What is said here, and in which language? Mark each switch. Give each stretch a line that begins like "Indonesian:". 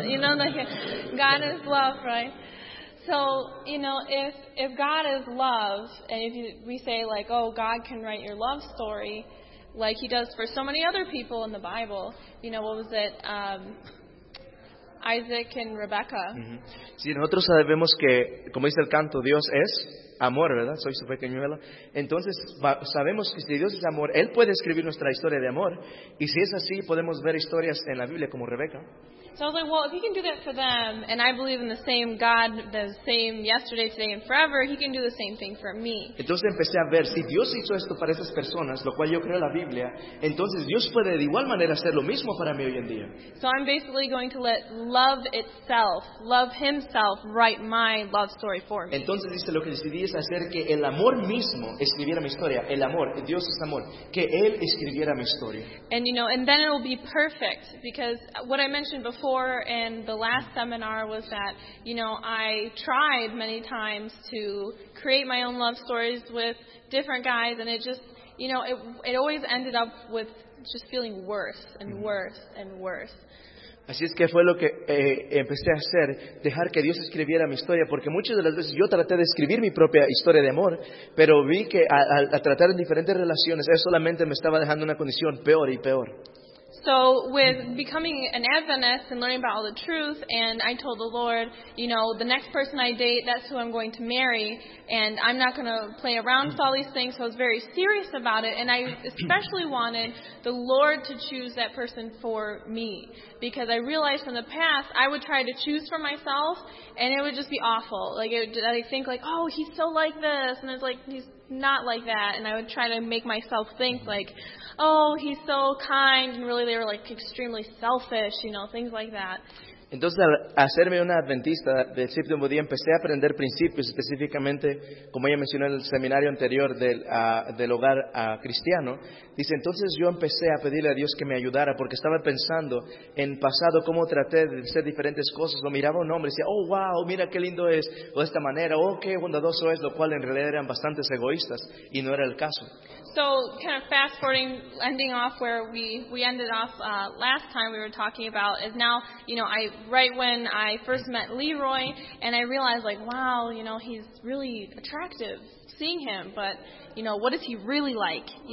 English: You know, God is love, right? So, you know, if God is love, and if we say like, oh, God can write your love story, like he does for so many other people in the Bible. You know, what was it? Isaac and Rebecca. Mm-hmm.
Spanish: Sí, nosotros sabemos que, como dice el canto, Dios es amor, ¿verdad? Soy su pequeñuelo. Entonces, sabemos que si Dios es amor, Él puede escribir nuestra historia de amor. Y si es así, podemos ver historias en la Biblia como Rebeca.
English: So I was like, well, if he can do that for them, and I believe in the same God, the same yesterday, today, and forever, he can do the same thing for me.
Spanish: Entonces empecé a ver, si Dios hizo esto para esas personas, lo cual yo creo en la Biblia, entonces Dios puede de igual manera hacer lo mismo para mí hoy en día.
English: So I'm basically going to let love itself, love himself, write my love story for me.
Spanish: Entonces dice, lo que decidí es hacer que el amor mismo escribiera mi historia, el amor, Dios es amor, que Él escribiera mi historia.
English: And you know, and then it will be perfect, because what I mentioned before, in the last seminar was that, you know, I tried many times to create my own love stories with different guys, and it just, you know, it always ended up with just feeling worse and worse and worse.
Spanish: Así es que fue lo que empecé a hacer, dejar que Dios escribiera mi historia, porque muchas de las veces yo traté de escribir mi propia historia de amor, pero vi que al tratar en diferentes relaciones, eso solamente me estaba dejando una condición peor y peor.
English: So with becoming an Adventist and learning about all the truth, and I told the Lord, you know, the next person I date, that's who I'm going to marry, and I'm not going to play around with all these things. So I was very serious about it, and I especially wanted the Lord to choose that person for me, because I realized in the past I would try to choose for myself, and it would just be awful. Like I think like, oh, he's so like this, and it's like he's not like that, and I would try to make myself think like, oh, he's so kind, and really they were like extremely selfish, you know, things like that.
Spanish: Entonces, al hacerme una adventista del séptimo día, empecé a aprender principios, específicamente, como ella mencionó en el seminario anterior del hogar cristiano. Dice, entonces yo empecé a pedirle a Dios que me ayudara, porque estaba pensando en pasado cómo traté de hacer diferentes cosas. Lo miraba un hombre y decía, oh, wow, mira qué lindo es, o de esta manera, oh, qué bondadoso es, lo cual en realidad eran bastante egoístas, y no era el caso.
English: So, kind of fast forwarding, ending off where we ended off last time we were talking about, is now, you know, right when I first met Leroy, and I realized, like, wow, you know, he's really attractive seeing him, but, you know, what is he really like?